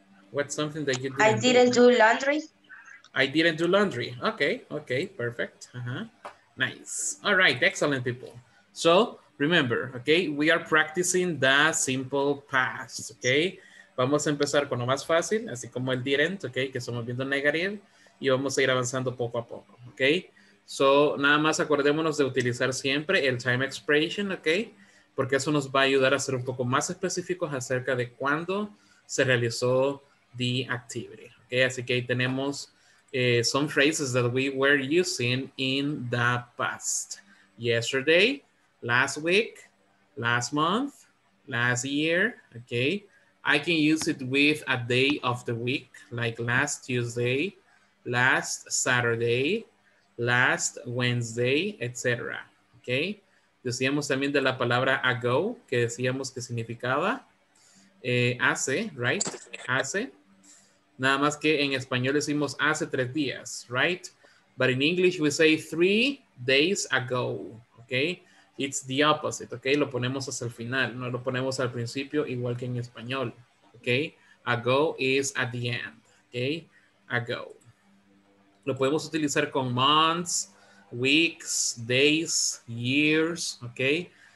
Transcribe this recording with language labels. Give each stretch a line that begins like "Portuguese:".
English: What's something that you didn't do? I didn't do laundry. I didn't do laundry. Okay. Okay. Perfect. Uh-huh. Nice. All right. Excellent, people. So remember, okay, we are practicing the simple past. Okay.
Spanish: Vamos a empezar con lo más fácil, así como el didn't, okay, que estamos viendo negative. Y vamos a ir avanzando poco a poco, ¿ok? So, nada más acordémonos de utilizar siempre el time expression, ¿ok? Porque eso nos va a ayudar a ser un poco más específicos acerca de cuándo se realizó
English: the activity. Okay,
Spanish: así que ahí tenemos
English: some phrases that we were using in the past. Yesterday, last week, last month, last year. Okay, I can use it with a day of the week, like last Tuesday, last Saturday, last Wednesday, etc.
Spanish: Okay, decíamos también de la palabra ago, que decíamos que significaba hace, right? Hace. Nada más que en español decimos hace tres días, right?
English: But in English we say 3 days ago, okay? It's the opposite, okay?
Spanish: Lo ponemos hasta el final, no lo ponemos al principio, igual que en español, okay?
English: Ago is at the end, okay? Ago.
Spanish: Lo podemos utilizar con
English: months, weeks, days, years,
Spanish: okay?